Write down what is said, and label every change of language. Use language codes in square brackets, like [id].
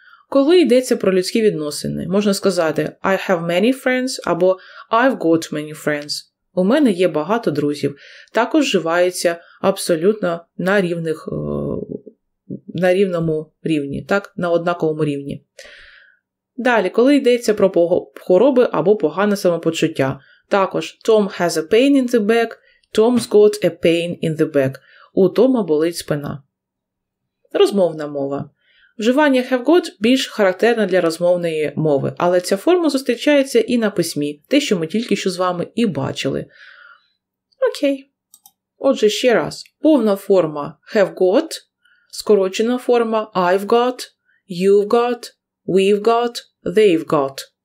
[uk] Коли йдеться про людські відносини, можна сказати [en] I have many friends, [uk] або [en] I've got many friends. [uk] У мене є багато друзів. Також вживається абсолютно на рівних, на рівному рівні, так? На однаковому рівні. Далі, коли йдеться про хвороби або погане самопочуття. Також [en] Tom has a pain in the back, Tom's got a pain in the back. [uk] У Тома болить спина. Розмовна мова. Вживання have got більш характерне для розмовної мови, але ця форма зустрічається і на письмі, те, що ми тільки що з вами і бачили. Окей. Отже, ще раз. Повна форма have got, скорочена форма [en] I've got, you've got, we've got, they've got.